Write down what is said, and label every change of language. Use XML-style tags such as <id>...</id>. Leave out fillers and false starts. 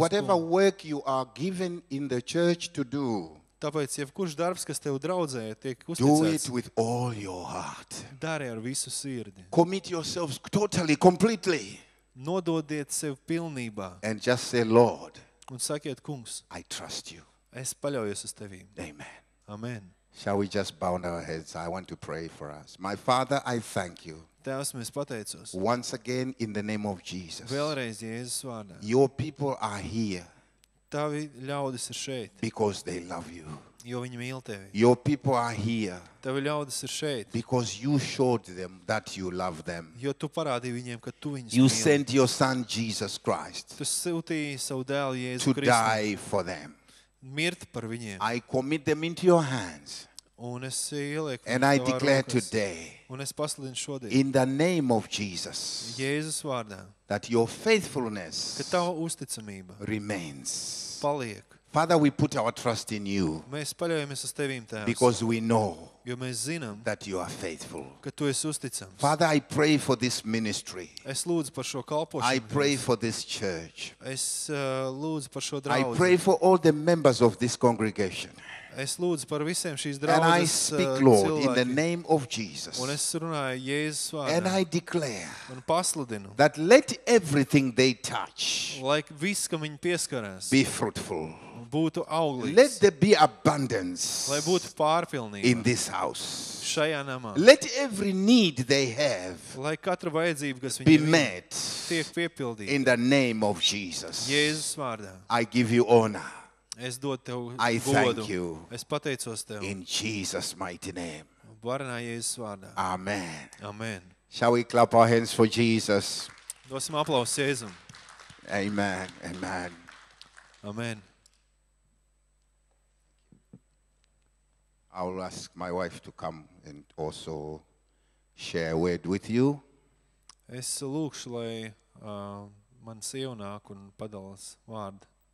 <en>Whatever work you are given in the church to do.</en> <lv>Tāpēc jebkurš darbs, kas tev draudzē, tiek uzticēts.</lv> <en>Do it with all your heart.</en> <lv>Dari ar visu sirdi.</lv> <en>Commit yourselves totally, completely.</en> <lv>Nododiet sevi pilnībā.</lv> <en>And just say, Lord.</en> <lv>Un sakiet, Kungs.</lv> <en>I trust you.</en> <lv>Es paļaujos uz tevi. Amen. Amen.</lv> <en>Shall we just bow our heads? I want to pray for us. My Father, I thank you.</en> <lv>Tevs, mēs pateicos.</lv> <en>Once again in the name of Jesus.</en> <lv>Vēlreiz Jēzus vārdā.</lv> <en>Your people are here.</en> <lv>Tavi ļaudis ir šeit.</lv> <en>Because they love you.</en> <lv>Jo viņi mīl tevi.</lv> <en>Your people are here.</en> <lv>Tavi ļaudis ir šeit.</lv> <en>Because you showed them that you love them.</en> <lv>Jo tu parādīji viņiem, ka tu viņus mīli.</lv> <en>You sent your son Jesus Christ.</en> <lv>Tu sūtīji savu dēlu Jēzu</lv> <en>Kristu. To die for them.</en> <lv>Mirt par viņiem.</lv> <en>I commit them into your hands.</en> <lv>Un es ielieku</lv> <en>And I declare today.</en> <lv>Un es pasludinu šodien.</lv> <en>In the name of Jesus.</en> <lv>Jēzus vārdā.</lv> <en>That your faithfulness</en> <lv>ka tava uzticamība</lv> <en>remains.</en> <lv>Paliek.</lv> <en>Father, we put our trust in you.</en> <lv>Mēs paļaujamies uz tevīm, Tēvs.</lv> <en>Because we know.</en> <lv>Jo mēs zinām.</lv> <en>That you are faithful.</en> <lv>Ka tu esi uzticams.</lv> <en>Father, I pray for this ministry.</en> <lv>Es lūdzu par šo kalpošanu.</lv> <en>I pray for this church.</en> <lv>Es lūdzu par šo draudzi.</lv> <en>I pray for all the members of this congregation.</en> <lv>Es lūdzu par visiem šīs draudzes cilvēkiem. Un es runāju Jēzus vārdā.</lv> <en>And I declare.</en> <lv>Un pasludinu.</lv> <en>That let everything they touch.</en> <lv>Lai viss, ka viņi pieskarās.</lv> <en>Be fruitful.</en> <lv>Būtu auglīgs.</lv> <en>Let there be abundance.</en> <lv>Lai būtu pārpilnība.</lv> <en>In this house.</en> <lv>Šajā namā.</lv> <en>Let every need they have.</en> <lv>Lai katra vajadzība, kas viņiem ir, tiek piepildīta.</lv> <en>In the name of Jesus.</en> <lv>Jēzus vārdā.</lv> <en>I give you honor.</en> <lv>Es dodu tev</lv> <en>I</en> <lv>godu.</lv> <en>Thank you.</en> <lv>Es pateicos tev.</lv> <en>In Jesus' mighty name.</en> <lv>Varenā Jēzus vārdā. Amen. Amen.</lv> <en>Shall we clap our hands for Jesus?</en> <lv>Dosim aplausu Jēzum. Amen. Amen. Amen.</lv> <en>I will ask my wife to come and also share a word with you.</en> <lv>Es lūkšu, lai man sieva nāk un padalas vārdu.</lv>